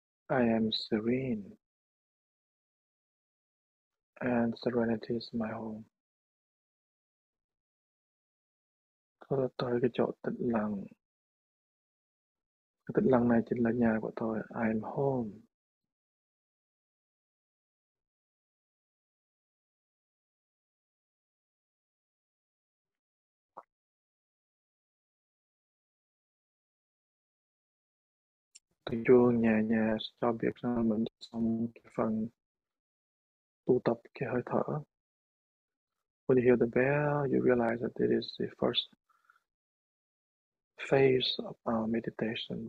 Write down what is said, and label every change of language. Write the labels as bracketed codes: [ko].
[en] I am serene, and serenity is my home. [vi] Tôi đã tới cái chỗ tĩnh lặng. Cái tĩnh lặng này chính là nhà của tôi. [en] I am home. [vi] Từng chuông nhẹ nhàng cho việc mình xong cái phần tu tập cái hơi thở. [en] When you hear the bell, you realize that it is the first phase of our meditation.